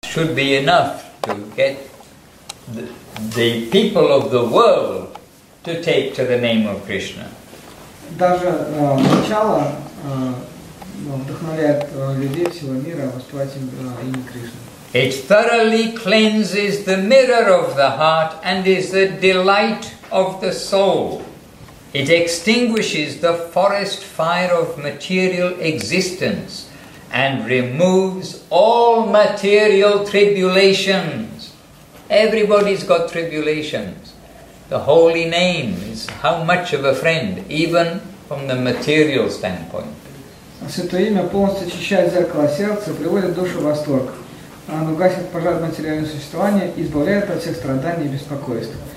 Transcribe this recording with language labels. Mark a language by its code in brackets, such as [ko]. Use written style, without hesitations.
[en] should be enough to get the people of the world to take to the name of Krishna. [ru] Даже начало вдохновляет людей всего мира воспевать имя Кришны. [en] It thoroughly cleanses the mirror of the heart and is the delight of the soul. It extinguishes the forest fire of material existence and removes all material tribulations. Everybody's got tribulations. The holy name is how much of a friend, even from the material standpoint. [ru] Святое имя полностью очищает зеркало сердца, приводит душу в восторг. Оно гасит пожар материального существования, избавляет от всех страданий и беспокойств.